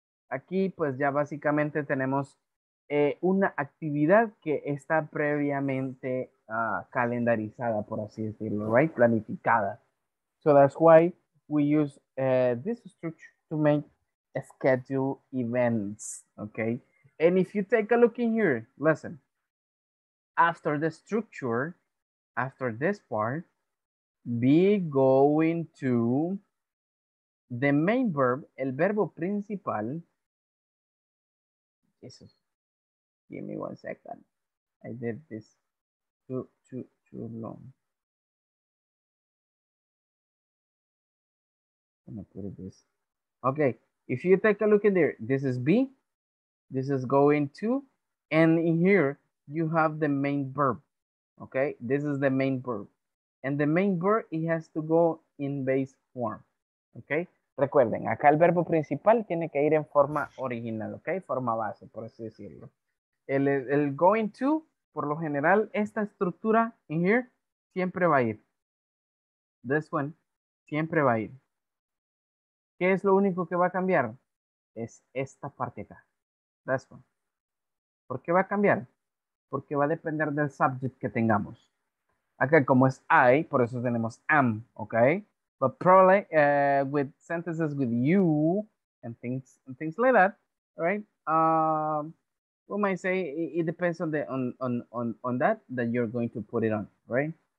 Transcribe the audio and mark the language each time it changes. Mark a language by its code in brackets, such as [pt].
[es] Aquí pues ya básicamente tenemos una actividad que está previamente calendarizada, por así decirlo, right? Planificada. [en] So that's why we use this structure to make schedule events, okay? And if you take a look in here, listen, after the structure, after this part, be going to the main verb, [es] el verbo principal. [en] Jesus, give me one second. I did this too long. I'm gonna put it this. Okay, if you take a look in there, this is B. This is going to, and in here, you have the main verb, okay? This is the main verb. And the main verb, it has to go in base form, okay? [es] Recuerden, acá el verbo principal tiene que ir en forma original, ¿ok? Forma base, por así decirlo. El going to, por lo general, esta estructura in here siempre va a ir. [en] This one [es] siempre va a ir. ¿Qué es lo único que va a cambiar? Es esta parte acá. [en] This one. [es] ¿Por qué va a cambiar? Porque va a depender del subject que tengamos. Acá como es I, por eso tenemos am, ¿ok? [en] But probably with sentences with you and things like that, right? We might say it depends on the on that you're going to put it on, right?